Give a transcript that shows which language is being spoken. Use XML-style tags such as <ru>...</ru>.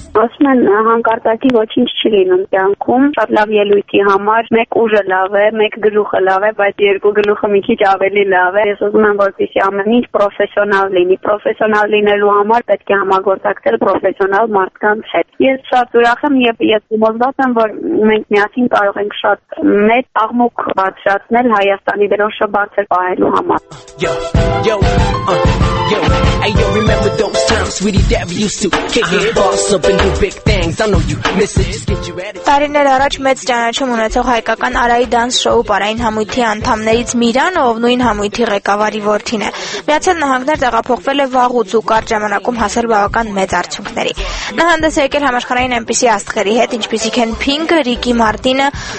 <hy>Ոսում են հանկարծակի ոչինչ չի լինում կյանքում, շատ լավ ելույթի համար մեկ ուժը լավ է, մեկ գլուխը լավ է, բայց երկու գլուխը մի քիչ ավելի լավ է։ Ես ուզում եմ, որպեսզի ամեն ինչ պրոֆեսիոնալ լինի, պրոֆեսիոնալ լինելու համար պետք է համագործակցել պրոֆեսիոնալ մարդկանց հետ։ Ես շատ ուրախ եմ եւ ես ուզված եմ, որ մենք միասին կարող ենք շատ մեծ աղմուկ բարձրացնել Հայաստանի դրոշը բարձր պահելու համար։ yo.</hy> <en>Ayo, remember those times, sweetie, that we used to kick it. Boss up and do big things, I know you miss it. Just get you ready.</en> <hy>Տարիներ առաջ մեծ ճանաչում ունեցող հայկական Արայի Dance Show-ը բարային համույթի անդամներից Միրան, ով նույն համույթի ղեկավարի որդին է։ Միացյալ Նահանգներ տեղափոխվել է վաղուց ու կարճ ժամանակում հասել բավական մեծ արդյունքների։ Նահանգներ եկել համաշխարհային այնպիսի աստղերի հետ, ինչպիսիք են Pink-ը, Ricky Martin-ը,</hy>